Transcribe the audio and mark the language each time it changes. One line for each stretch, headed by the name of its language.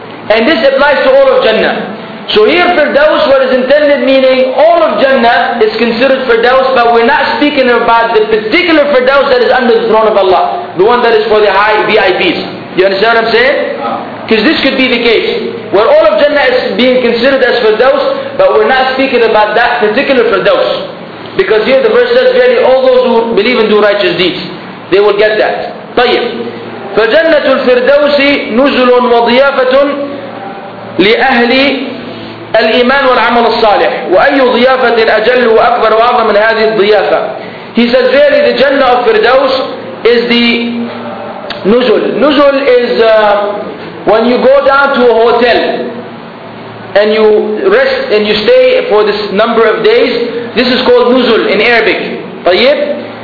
English: And this applies to all of Jannah. So here Firdaus, what is intended meaning all of Jannah is considered Firdaus, but we're not speaking about the particular Firdaus that is under the throne of Allah, the one that is for the high VIPs. You understand what I'm saying? Because this could be the case where all of Jannah is being considered as Firdaus, but we're not speaking about that particular Firdaus. Because here the verse says, verily all those who believe and do righteous deeds, they will get that.
Arabic: طيب فجنة الفردوس نزل وضيافة لأهل الإيمان والعمل الصالح وأي ضيافة أجل وأكبر وأعظم من هذه الضيافة.
English: He says really the Jannah of Firdaus is the Nuzul. Nuzul is when you go down to a hotel and you rest and you stay for this number of days. This is called Nuzul in Arabic.
Arabic: طيب.